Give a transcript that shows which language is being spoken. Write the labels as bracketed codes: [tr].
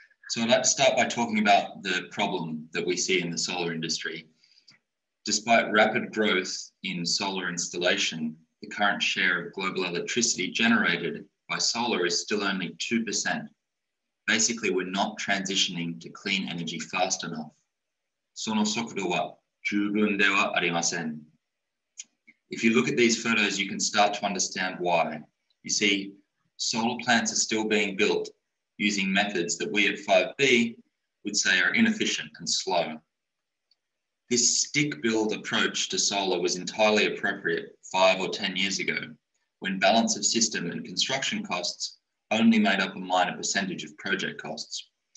[en] So I'd like to start by talking about the problem that we see in the solar industry. Despite rapid growth in solar installation, the current share of global electricity generated by solar is still only 2%. Basically, we're not transitioning to clean energy fast enough. [ja] その速度は十分ではありません. [en] If you look at these photos, you can start to understand why. You see, solar plants are still being built using methods that we at 5B would say are inefficient and slow. This stick build approach to solar was entirely appropriate 5 or 10 years ago, when balance of system and construction costs only made up a minor percentage of project costs.